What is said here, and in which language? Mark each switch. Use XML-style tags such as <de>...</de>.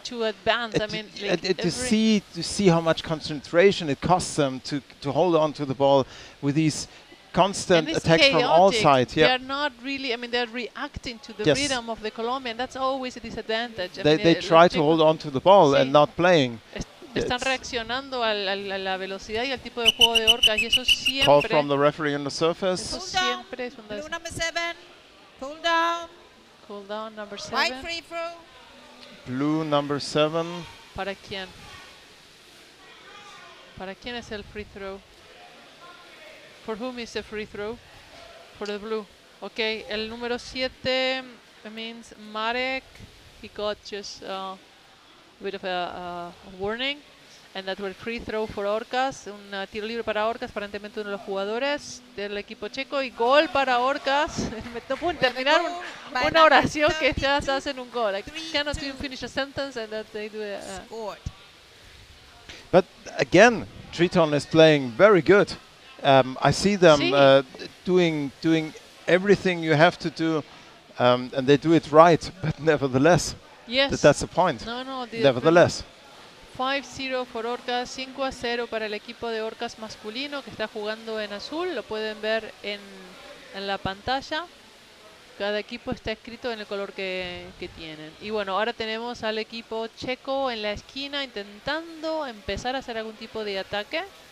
<en>To see how much concentration it costs them to hold on to the ball with these constant attacks chaotic. From all sides. Yeah. They are not really, they're reacting to the rhythm of the Colombian. That's always a disadvantage. They try to hold on to the ball and not playing.</en> <es>Están reaccionando a la velocidad y al tipo de juego de Orcas y eso siempre.</es> <en>Call from the referee on the surface.</en> <es>Eso siempre es un desastre.</es> <en>Number 7. Cool down. Cool down number 7. White free throw. Blue number 7.</en> <es>¿Para quién? ¿Para quién es el free throw?</es> <en>For whom is the free throw? For the blue. Okay,</en> <es>el número 7</es> <en>means Marek. He got just bit of a warning, and that was free throw for Orcas,</en> <es>un tiro libre para Orcas, aparentemente uno de los jugadores del equipo checo, y gol para Orcas. No pueden terminar una oración que ya se hacen un gol.</es> <en>I cannot even finish a sentence and that they do it. But again, Triton is playing very good. I see them doing everything you have to do, and they do it right, but nevertheless. Yes. That's the point. No. Nevertheless. 5-0 for Orcas,</en> <es>5-0 para el equipo de Orcas masculino que está jugando en azul. Lo pueden ver en la pantalla. Cada equipo está escrito en el color que tienen. Y bueno, ahora tenemos al equipo checo en la esquina intentando empezar a hacer algún tipo de ataque.</es>